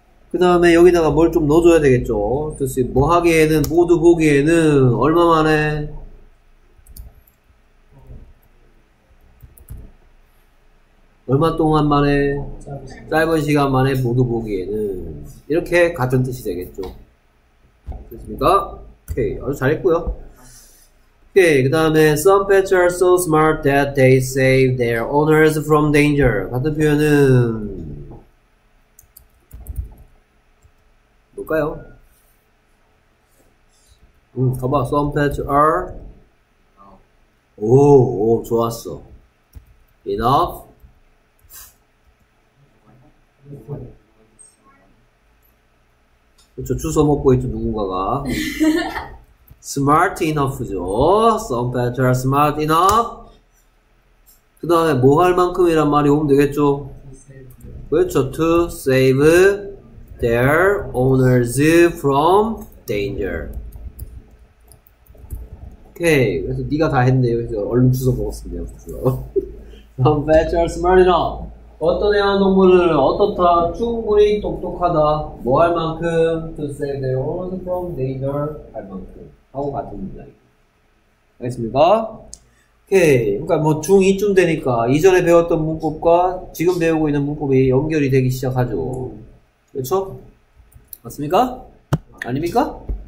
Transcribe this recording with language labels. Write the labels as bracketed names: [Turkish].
[Korean] 그 다음에 여기다가 뭘 좀 넣어줘야 되겠죠. [English] to see [Korean] 뭐 하기에는 모두 보기에는 얼마만에 얼마 동안 만에 짧은 시간 만에 모두 보기에는 이렇게 같은 뜻이 되겠죠. 됐습니까? 오케이. 아주 잘했고요. 오케이. 그 다음에 [English] Some pets are so smart that they save their owners from danger. [Korean] 같은 표현은 뭘까요? 봐봐. [English] Some pets are [Korean] 오 좋았어. Enough그쵸, 주워 먹고 있죠, 누군가가. [English] smart enough죠. Some pets are smart enough. [Korean] 그 다음에 뭐 할 만큼이란 말이 오면 되겠죠. 그쵸, [English] to save their owners from danger. [Korean] 오케이. 그래서 니가 다 했네요. 그래서 얼른 주워 먹었습니다. [English] Some pets are smart enough. [Korean] 어떤 애완동물은 어떻다? 충분히 똑똑하다. 뭐 할 만큼? [English] To save their own from danger [Korean] 할 만큼. 하고 같은 문장. 알겠습니까? 오케이. 그러니까 뭐 중2쯤 되니까 이전에 배웠던 문법과 지금 배우고 있는 문법이 연결이 되기 시작하죠. 그렇죠? 맞습니까? 아닙니까?